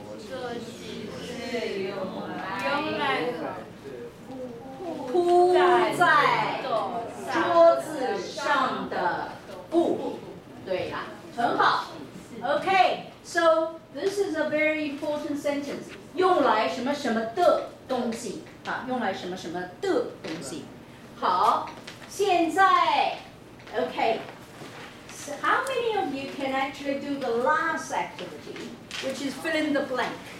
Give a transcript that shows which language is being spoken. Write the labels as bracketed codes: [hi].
[zh] 桌旗是用来铺在桌子上的布。对啦，很好。 [en] OK, so this is a very important sentence. [zh] 用来什么什么的东西。啊，用来什么什么的东西。好，现在 [en] ,OK,So how many of you can actually do the last activity, which is fill in the blank?